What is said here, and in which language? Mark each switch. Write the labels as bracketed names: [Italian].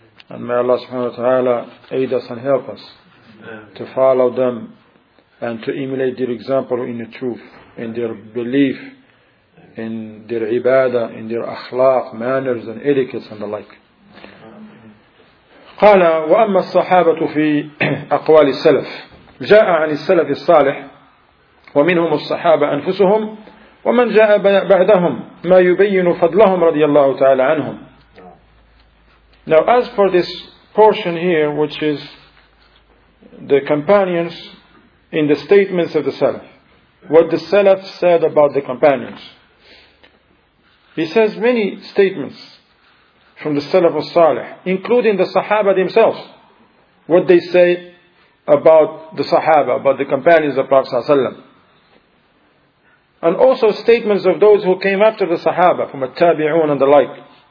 [English] And may Allah subhanahu wa ta'ala aid us and help us to follow them and to emulate their example in the truth, in their belief, in their ibadah, in their akhlaq, manners and etiquettes and the like. [Arabic] قال وأما الصحابة في أقوال السلف جاء عن السلف الصالح ومنهم الصحابة أنفسهم ومن جاء بعدهم ما يبين فضلهم رضي الله تعالى عنهم. [English] Now as for this portion here, which is the companions in the statements of the Salaf, what the Salaf said about the companions, he says many statements from the Salaf of Salih, including the Sahaba themselves, what they say about the Sahaba, about the companions of Prophet ﷺ, and also statements of those who came after the Sahaba, from At-Tabi'un and the like.